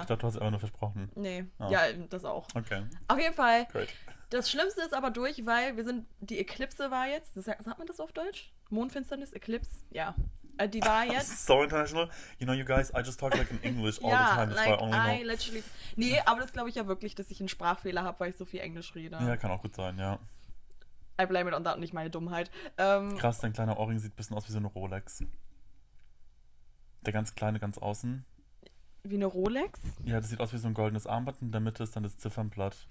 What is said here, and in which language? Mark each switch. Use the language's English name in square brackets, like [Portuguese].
[German] Ich dachte, du hast es einfach nur versprochen. Nee. Oh. Ja, das auch. Okay. Auf jeden Fall. Great. Das Schlimmste ist aber durch, weil wir sind, die Eklipse war jetzt, sagt man das auf Deutsch? Mondfinsternis, Eclipse, ja. Die war jetzt. So international. [English] You know, you guys, I just talk like in English all the time. Ja, like, only I literally. [German] Nee, aber das glaube ich ja wirklich, dass ich einen Sprachfehler habe, weil ich so viel Englisch rede. Ja, kann auch gut sein, ja. [English] I blame it on that und nicht meine Dummheit. [German] Krass, dein kleiner Ohrring sieht ein bisschen aus wie so eine Rolex. Der ganz kleine, ganz außen. Wie eine Rolex? Ja, das sieht aus wie so ein goldenes Armband und in der Mitte ist dann das Ziffernblatt.